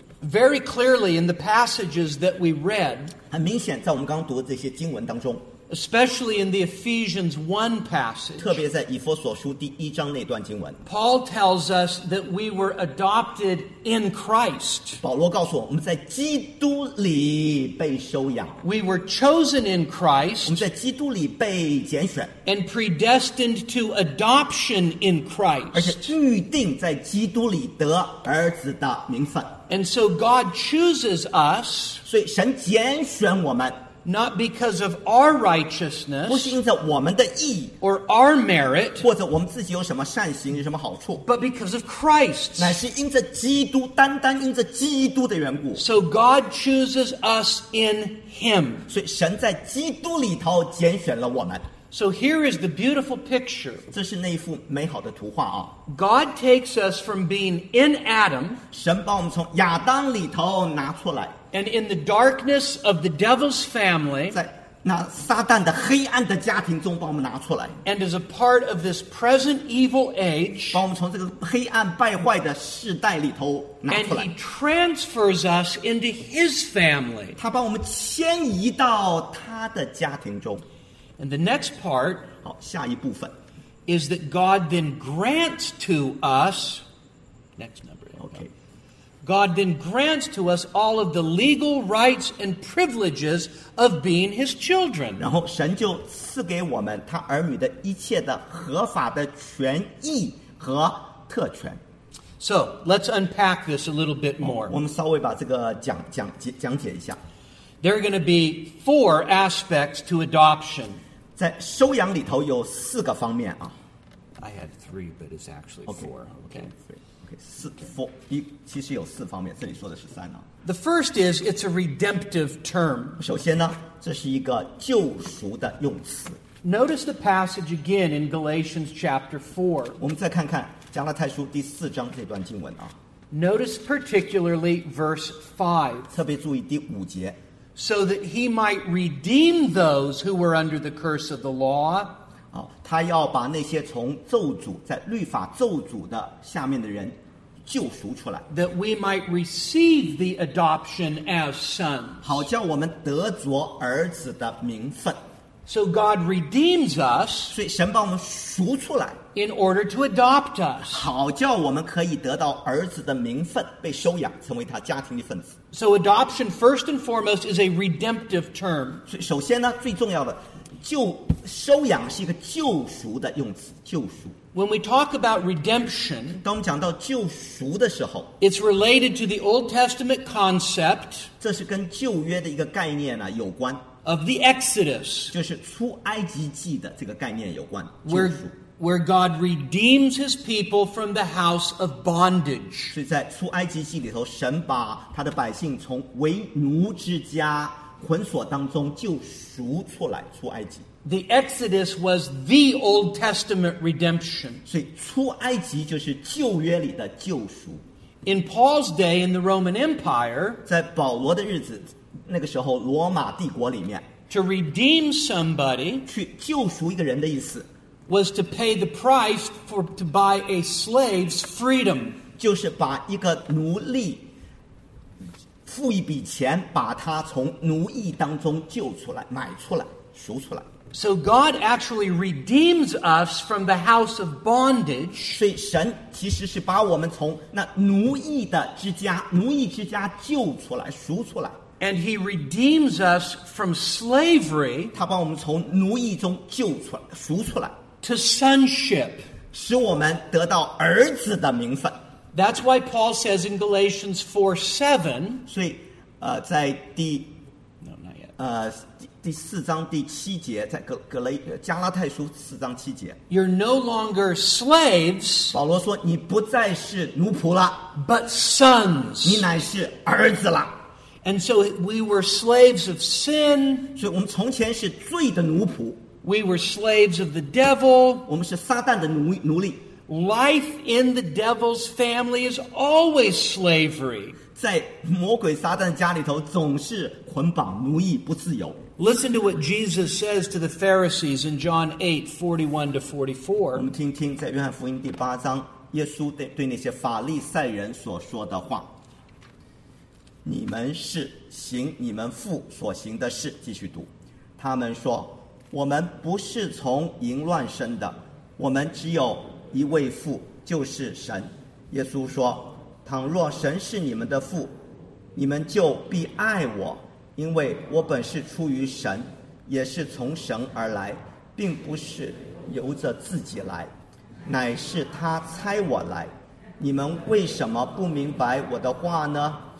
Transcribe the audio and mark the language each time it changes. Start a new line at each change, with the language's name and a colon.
English: Very clearly in the passages that we read,
Chinese: 很明显在我们刚读的这些经文当中,
English: especially in the Ephesians 1 passage,
Chinese: 特别在以弗所书第一章那段经文,
English: Paul tells us that we were adopted in Christ.
Chinese: 保罗告诉我,我们在基督里被收养。
English: We were chosen in Christ,
Chinese: 我们在基督里被拣选,
English: and predestined to adoption in Christ,
Chinese: 而且预定在基督里得儿子的名分。
English: And so God chooses us,
Chinese: 所以神拣选我们,
English: not because of our righteousness,
Chinese: 不是因着我们的义,
English: or our merit,
Chinese: 或者我们自己有什么善行, 有什么好处,
English: but because of Christ,
Chinese: 乃是因着基督, 单单因着基督的缘故。
English: So God chooses us in him,
Chinese: 所以神在基督里头拣选了我们。
English: So here is the beautiful picture.
Chinese: 这是那一幅美好的图画啊。
English: God takes us from being in Adam,
Chinese: 神把我们从亚当里头拿出来。
English: And in the darkness of the devil's family,
Chinese: 在那撒旦的黑暗的家庭中把我们拿出来。
English: And as a part of this present evil age,
Chinese: 把我们从这个黑暗败坏的世代里头拿出来。
English: And he transfers us into his family.
Chinese: 他把我们迁移到他的家庭中。
English: And the next part,
Chinese: 好，下一部分,
English: is that God then grants to us, next number, okay. God then grants to us all of the legal rights and privileges of being his children.
Chinese: 然后神就赐给我们他儿女的一切的合法的权益和特权。
English: So, let's unpack this a little bit more.
Chinese: 我们稍微把这个讲解一下。
English: There are going to be four aspects to adoption.
Chinese: 在收养里头有四个方面啊。
English: I had three, but it's actually four. Okay, four.
Chinese: 其实有四方面，这里说的是三啊。
English: The first is, it's a redemptive term.
Chinese: 首先呢，这是一个救赎的用词。
English: Notice the passage again in Galatians chapter 4.
Chinese: 我们再看看加拉太书第四章这段经文啊。
English: Notice particularly verse 5.
Chinese: 特别注意第五节。
English: So that he might redeem those who were under the curse of the law.
Chinese: 他要把那些从咒诅在律法咒诅的下面的人救赎出来。
English: That we might receive the adoption as sons.
Chinese: 好叫我们得着儿子的名分。
English: So God redeems us.
Chinese: 所以神把我们赎出来。
English: In order to adopt us.
Chinese: 好叫我们可以得到儿子的名分，被收养，成为他家庭的分子。
English: So adoption, first and foremost, is a redemptive term.
Chinese: 首先呢，最重要的，救，收养是一个救赎的用词，救赎。
English: When we talk about redemption,
Chinese: 当我们讲到救赎的时候，
English: it's related to the Old Testament concept,
Chinese: 这是跟旧约的一个概念呢，有关。
English: Of the Exodus,
Chinese: 就是出埃及记的这个概念有关，救赎。
English: Where God redeems his people from the house of bondage.
Chinese: 所以在出埃及记里头，神把他的百姓从为奴之家捆锁当中救赎出来，出埃及。
English: The Exodus was the Old Testament redemption.
Chinese: 所以出埃及就是旧约里的救赎。
English: In Paul's day in the Roman Empire,
Chinese: 在保罗的日子，那个时候罗马帝国里面，
English: to redeem somebody,
Chinese: 去救赎一个人的意思。
English: Was to pay the price for to buy a slave's freedom.
Chinese: 就是把一个奴隶付一笔钱，把他从奴役当中救出来，买出来，赎出来。
English: So God actually redeems us from the house of bondage.
Chinese: 所以神其实是把我们从那奴役的之家，奴役之家救出来，赎出来。
English: And he redeems us from slavery.
Chinese: 他把我们从奴役中救出来，赎出来。
English: To sonship,
Chinese: 使我们得到儿子的名分。
English: That's why Paul says in Galatians 4:7.
Chinese: 所以，在第
English: no not yet
Chinese: 第四章第七节，在加拉太书四章七节。
English: You're no longer slaves.
Chinese: 保罗说你不再是奴仆了
English: ，but sons.
Chinese: 你乃是儿子了。
English: And so we were slaves of sin.
Chinese: 所以我们从前是罪的奴仆。
English: We were slaves of the devil.
Chinese: 我们是撒旦的奴隶。
English: Life in the devil's family is always slavery.
Chinese: 在魔鬼撒旦家里头总是捆绑奴役不自由。
English: Listen to what Jesus says to the Pharisees in John 8, 41 to 44.
Chinese: 我们听听在约翰福音第八章，耶稣对那些法利赛人所说的话。你们是行你们父所行的事，继续读。他们说，我们不是从淫乱生的，我们只有一位父，就是神。耶稣说，倘若神是你们的父，你们就必爱我，因为我本是出于神，也是从神而来，并不是由着自己来，乃是他差我来。你们为什么不明白我的话呢？